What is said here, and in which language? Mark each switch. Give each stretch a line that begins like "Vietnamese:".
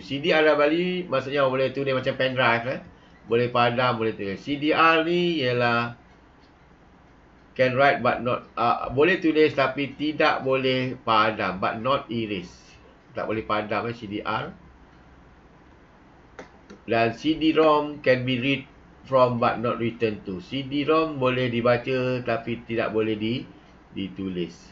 Malay: CDRW maksudnya awak boleh tunai macam pen drive, boleh padam, boleh tunai. CDR ni ialah
English: can write but not
Malay: boleh tulis tapi tidak boleh padam,
English: but not erase.
Malay: Tak boleh padam CDR.
English: Dan CD-ROM can be read from but not written to.
Malay: CD-ROM boleh dibaca tapi tidak boleh ditulis.